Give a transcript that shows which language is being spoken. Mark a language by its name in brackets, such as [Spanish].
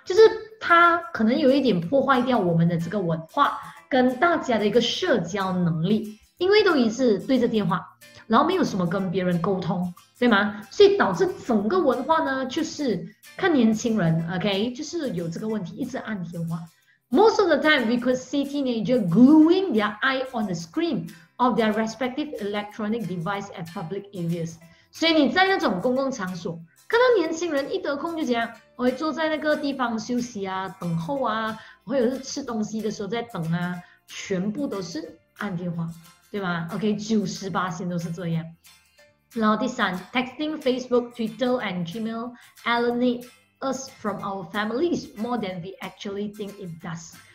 [Chinese] 就是它可能有一点破坏掉我们的这个文化跟大家的一个社交能力，因为都一直对着电话，然后没有什么跟别人沟通。对吗？所以导致整个文化呢，就是看年轻人，OK，就是有这个问题，一直按电话。 [English] Most of the time, we could see teenagers gluing their eye on the screen of their respective electronic device at public areas。 [Chinese] 所以你在那种公共场所，看到年轻人一得空就这样，我会坐在那个地方休息啊、等候啊，或者是吃东西的时候在等啊，全部都是按电话，对吗？OK，98%都是这样。然后第三， [English] texting Facebook, Twitter and Gmail alienate us from our families more than we actually think it does。